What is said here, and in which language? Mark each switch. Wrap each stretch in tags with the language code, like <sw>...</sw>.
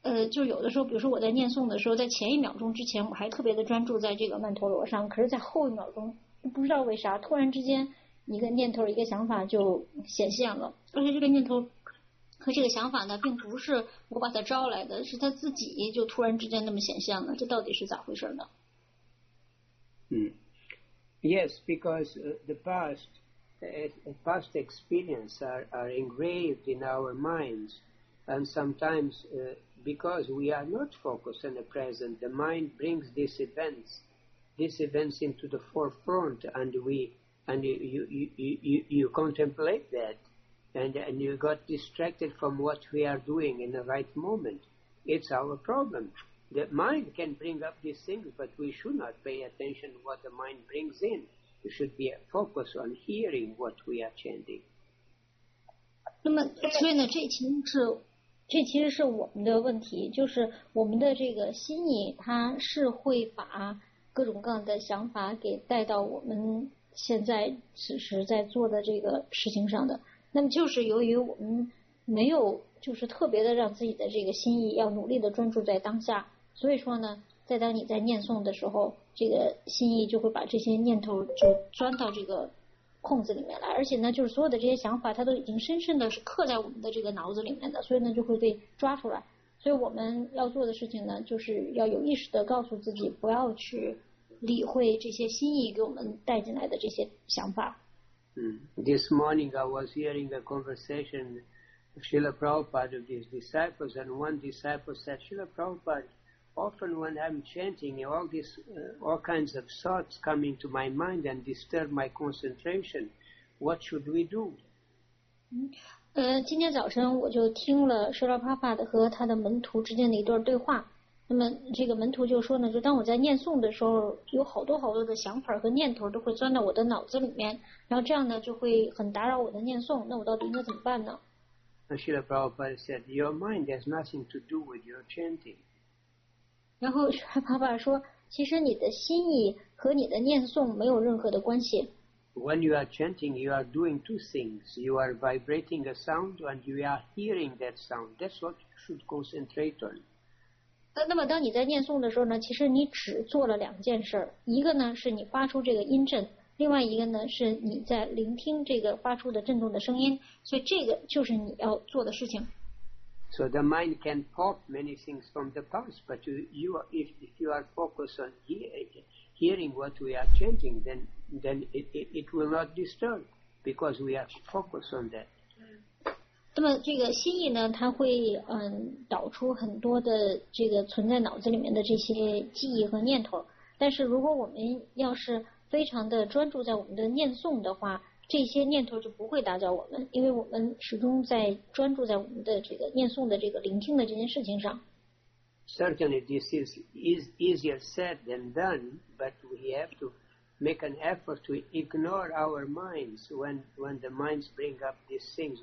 <zh>就有的时候，比如说我在念诵的时候，在前一秒钟之前，我还特别的专注在这个曼陀罗上，可是，在后一秒钟，不知道为啥，突然之间，一个念头、一个想法就显现了，而且这个念头和这个想法呢，并不是我把它招来的，是它自己就突然之间那么显现了，这到底是咋回事呢？</zh> <en>Yes, because the past experience are engraved in our minds, and sometimes. Because we are not focused on the present, the mind brings these events into the forefront, and you contemplate that, and you got distracted from what we are doing in the right moment. It's our problem. The mind can bring up these things, but we should not pay attention to what the mind brings in. We should be focused on hearing what we are chanting.</en> <zh>那么，所以呢，这其实是。这其实是我们的问题，就是我们的这个心意，它是会把各种各样的想法给带到我们现在此时在做的这个事情上的。那么就是由于我们没有就是特别的让自己的这个心意要努力的专注在当下，所以说呢，在当你在念诵的时候，这个心意就会把这些念头就钻到这个空子里面来，而且呢，就是所有的这些想法，它都已经深深的是刻在我们的这个脑子里面的，所以呢，就会被抓出来。所以我们要做的事情呢，就是要有意识的告诉自己，不要去理会这些心意给我们带进来的这些想法。</zh> <en>This morning I was hearing a conversation of Srila Prabhupada of his disciples, and one disciple said, Srila Prabhupada, often when I'm chanting, all kinds of thoughts come into my mind and disturb my concentration. What should we do?</en> <zh>今天早晨我就听了舍拉帕帕的和他的门徒之间的一段对话。那么这个门徒就说呢，就当我在念诵的时候，有好多好多的想法和念头都会钻到我的脑子里面，然后这样呢就会很打扰我的念诵。那我到底应该怎么办呢？</zh> <en>Srila Prabhupada said, "Your mind has nothing to do with your chanting."</en> <zh>然后他爸爸说，其实你的心意和你的念诵没有任何的关系。</zh> <en>When you are chanting, you are doing two things. You are vibrating a sound and you are hearing that sound. That's what you should concentrate on.</en> <zh>那么当你在念诵的时候呢，其实你只做了两件事，一个呢是你发出这个音震，另外一个呢是你在聆听这个发出的震动的声音，所以这个就是你要做的事情。</zh> <en>So the mind can pop many things from the past, but you are, if you are focused on hearing what we are chanting, then it will not disturb because we are focused on that.</en> <zh>那么这个心意呢，它会导出很多的这个存在脑子里面的这些记忆和念头。但是如果我们要是非常的专注在我们的念诵的话，这些念头就不会打搅我们，因为我们始终在专注在我们的这个念诵的这个聆听的这件事情上。</zh> <en>Certainly, this is easier said than done, but we have to make an effort to ignore our minds when the minds bring up these things.</en>